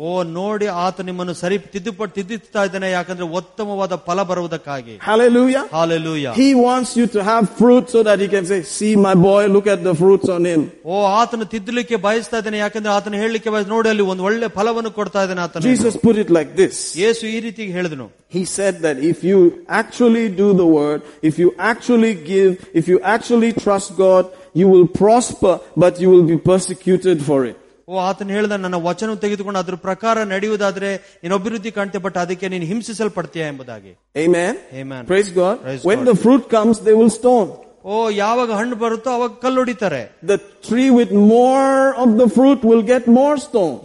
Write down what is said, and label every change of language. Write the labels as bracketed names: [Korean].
[Kannada] ಓ ನೋಡಿ, ಆತ ನಿಮ್ಮನ್ನು ಸರಿ ತಿದ್ದುತ್ತಾ ಇದ್ದಾನೆ, ಯಾಕಂದ್ರೆ ಉತ್ತಮವಾದ ಫಲ ಬರುವುದಕ್ಕಾಗಿ. [English] Hallelujah, hallelujah. He wants you to have fruit so that he can say see my boy, look at the fruits on him. [Kannada] ಓ ಆತನು ತಿದ್ದಲಿಕ್ಕೆ ಬಯಸ್ತಾ ಇದ್ದಾನೆ, ಯಾಕಂದ್ರೆ ಆತನ ಹೇಳಲಿಕ್ಕೆ ಬಯಸ್, ನೋಡಿ ಅಲ್ಲಿ ಒಂದು ಒಳ್ಳೆ ಫಲವನ್ನು ಕೊಡ್ತಾ ಇದ್ದಾನೆ ಆತನು. [English] Jesus put it like this, [Kannada] ಯೇಸು ಈ ರೀತಿ ಹೇಳಿದನು. [English] He said that if you actually do the word, if you actually give, if you actually trust God, you will prosper, but you will be persecuted for it. [Kannada] ಓ ಆತನ ಹೇಳಿದ, ನನ್ನ ವಚನವನ್ನು ತೆಗೆದುಕೊಂಡು ಅದರ ಪ್ರಕಾರ ನಡೆಯುವುದಾದ್ರೆ ನೀನು ಅಭಿವೃದ್ಧಿ ಕಾಣ್ತೀಯ, ಬಟ್ ಅದಕ್ಕೆ ನೀನು ಹಿಂಸಿಸಲ್ಪಡ್ತೀಯ ಎಂಬುದಾಗಿ. [English] Amen. Amen. Praise God. When the fruit comes, they will stone. [Kannada] ಓ ಯಾವಾಗ ಹಣ್ಣು ಬರುತ್ತೋ ಅವಾಗ ಕಲ್ಲೊಡಿತಾರೆ. [English] The tree with more of the fruit will get more stone.